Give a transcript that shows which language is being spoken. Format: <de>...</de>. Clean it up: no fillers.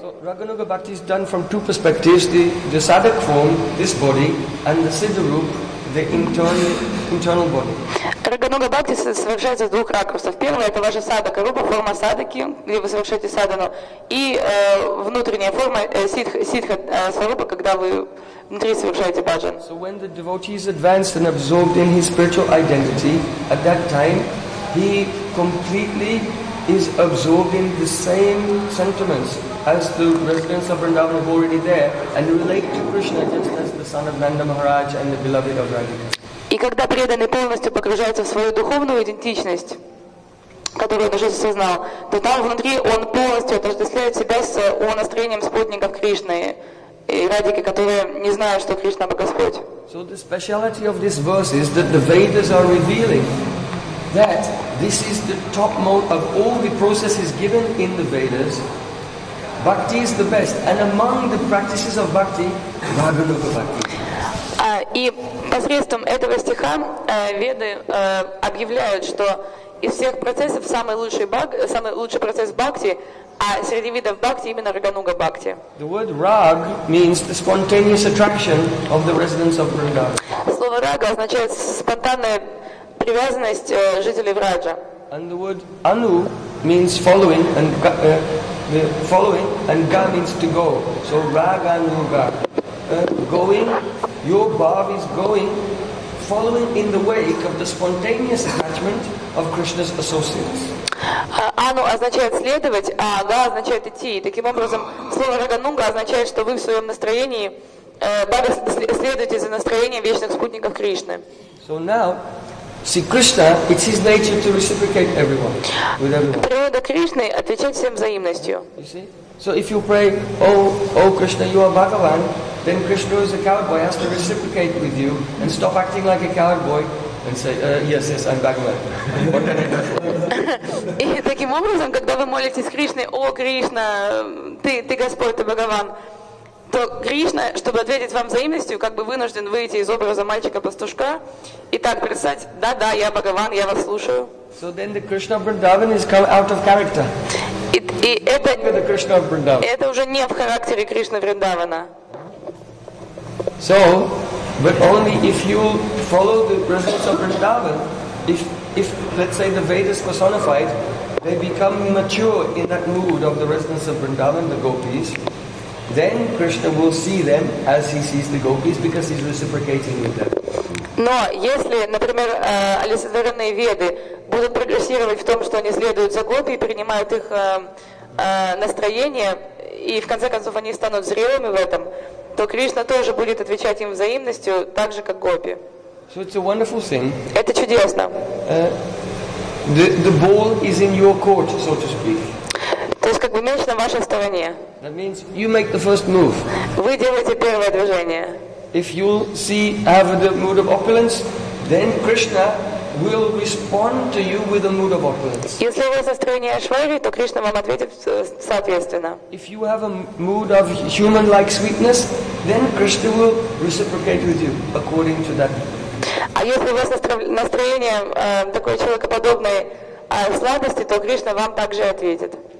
<en>So, Raghunuga Bhakti is done from two perspectives, the sadhak form, this body, and the siddha rup, the internal body.</en> <ru>Рагануга Бхакти совершается с двух ракурсов. Первое – это ваша садака, руба, форма садаки, где вы совершаете садану, и внутренняя форма ситха сварупа, когда вы внутри совершаете бхаджан.</ru> <en>So when the devotee is advanced and absorbed in his spiritual identity, at that time, he completely is absorbed in the same sentiments as the residents of Vrindavan who are already there, and relate to Krishna just as the son of Nanda Maharaj and the beloved of Radhika.</en> <ru>И когда преданный полностью погружается в свою духовную идентичность, которую он уже осознал, то там внутри он полностью отождествляет себя с умонастроением спутников Кришны и Радики, которые не знают, что Кришна – Господь.</ru> <en>So the speciality of this verse is that the Vedas are revealing that this is the top mode of all the processes given in the Vedas. Bhakti is the best. And among the practices of Bhakti, Raghunuga Bhakti.</en> <ru>И посредством этого стиха веды объявляют, что из всех процессов самый лучший процесс бхакти, а среди видов бхакти именно рагануга бхакти.</ru> <en>The word rag means the spontaneous attraction of the residents of Vrindavan.</en> <ru>Слово рага означает спонтанная привязанность жителей Враджа.</ru> <en>And the word anu means following, and following, and ga means to go. So raganuga. Going, your bhav is going, following in the wake of the spontaneous attachment of Krishna's associates.</en> <ru>Ану означает следовать, а га означает идти. Таким образом, слово рагануга означает, что вы в своем настроении следуете за настроением вечных спутников Кришны.</ru> <en>So now, see, Krishna, it's his nature to reciprocate everyone, with everyone.</en> <ru>Природа Кришны отвечать всем взаимностью.</ru> <en>You see? So if you pray, oh Krishna, you are Bhagavan, then Krishna, who is a cowboy, has to reciprocate with you and stop acting like a cowboy and say, yes, I'm Bhagavan.</en> <ru>И таким образом, когда вы молитесь Кришне, о Кришна, ты Господь, ты Бхагаван, то Кришна, чтобы ответить вам взаимностью, как бы вынужден выйти из образа мальчика-пастушка и так представить, да-да, я Бхагаван, я вас слушаю.</ru> <en>So then the Krishna of Vrindavan is come out of character.</en> <ru>Это уже не в характере Кришны Вриндавана.</ru> <en>So, but only if you follow the presence of Vrindavan, if let's say the Vedas personified, they become mature in that mood of the residents of Vrindavan, the gopis, then Krishna will see them as he sees the gopis because he's reciprocating with them.</en> <ru>Но если, например, олицетворенные Веды будут прогрессировать в том, что они следуют за гопи и принимают их настроение, и в конце концов они станут зрелыми в этом, то Кришна тоже будет отвечать им взаимностью, так же, как гопи.</ru> <en>So it's a wonderful thing.</en> <ru>Это чудесно.</ru> <en>The ball is in your court, so to speak.</en> <ru>То есть как бы мяч на вашей стороне.</ru> <en>That means you make the first move.</en> <ru>Вы делаете первое движение.</ru> <en>If you see, have the mood of opulence, then Krishna will respond to you with a mood of opulence.</en> <ru>Если у вас настроение Ашвари, то Кришна вам ответит соответственно.</ru> <en>If you have a mood of human-like sweetness, then Krishna will reciprocate with you according to that.</en> <ru>А если у вас настроение такой человекоподобной сладости, то Кришна вам также ответит.</ru>